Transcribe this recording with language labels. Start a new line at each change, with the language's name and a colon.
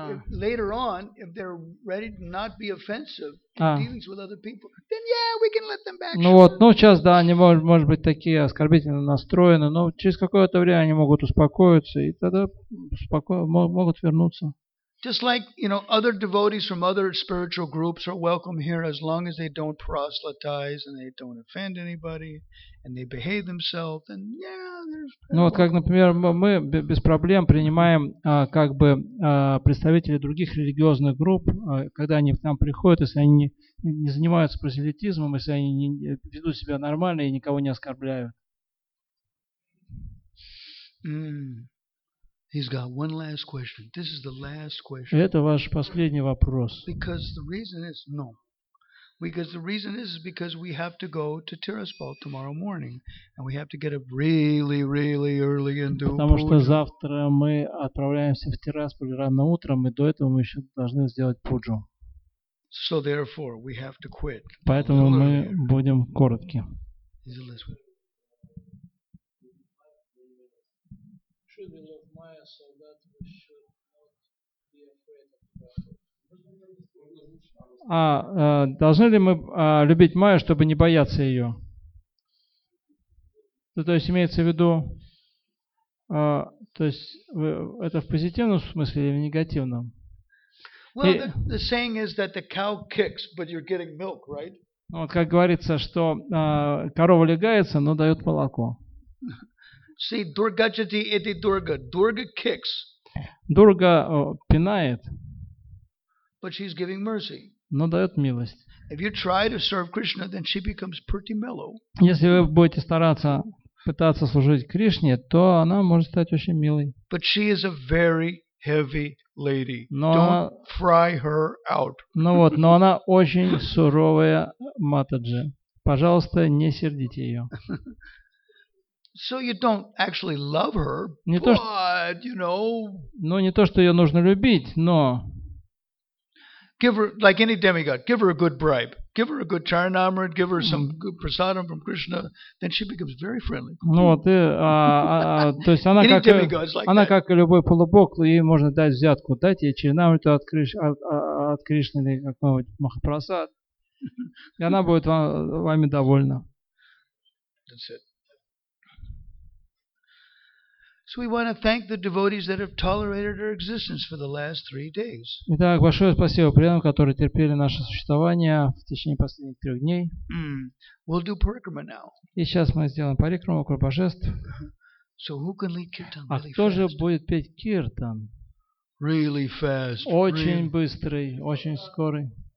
English: Later on, if they're ready to not be offensive in dealings with other people, then yeah, we can let them back.
Russian: Ну вот, ну сейчас да, они может быть такие оскорбительно настроены, но через какое-то время они могут успокоиться и тогда могут вернуться.
English: Just like you know, other devotees from other spiritual groups are welcome here as long as they don't proselytize and they don't offend anybody and they behave themselves. And yeah,
Russian: ну вот, как, например, мы без проблем принимаем как бы представителей других религиозных групп, когда они к нам приходят, если они не занимаются прозелитизмом, если они не ведут себя нормально и никого не оскорбляют.
English: He's got one last question. This is the last question.
Russian: Это ваш последний вопрос.
English: Because the reason is no. Because the reason is because we have to go to Tiraspol tomorrow morning, and we have to get up really, really early and do.
Russian: Потому что завтра мы отправляемся в Тирасполь рано утром, и до этого мы еще должны сделать пуджу.
English: So therefore, we have to quit.
Russian: Поэтому мы будем коротки. А должны ли мы любить Майю, чтобы не бояться ее? То есть имеется в виду, то есть это в позитивном смысле или в негативном?
English: Well, the saying is that the cow kicks, but you're getting milk, right?
Russian: Вот как говорится, что корова легается, но дает молоко.
English: See, Durga jati iti Durga. Durga kicks.
Russian: Дурга пинает.
English: But she's giving mercy.
Russian: Но дает милость.
English: If you try to serve Krishna, then she becomes pretty mellow.
Russian: Если вы будете стараться пытаться служить Кришне, то она может стать очень милой.
English: But she is a very heavy lady. Don't fry her out.
Russian: Ну вот, но она очень суровая матаджи. Пожалуйста, не сердите ее.
English: So you don't actually love her, but you know.
Russian: Ну не то, что ее нужно любить, но.
English: Give her like any demigod. Give her a good bribe. Give her a good charanamrit. Give her some good prasadam from Krishna. Then she becomes very friendly.
Russian: Ну вот и, то есть она как, она как и любой полубог, ей можно дать взятку, дать ей чаринамрит от Кришны или какой-нибудь махапрасад, и она будет вами довольна.
English: That's it. So we want to thank the devotees that have tolerated our existence for the last 3 days.
Russian: Итак, большое спасибо преданным, которые терпели наше существование в течение последних 3 дней.
English: We'll do parikrama now.
Russian: И сейчас мы сделаем парикраму вокруг божеств.
English: So who can lead kirtan really fast?
Russian: Кто же будет петь киртан?
English: Really fast.
Russian: Очень быстрый, очень скорый.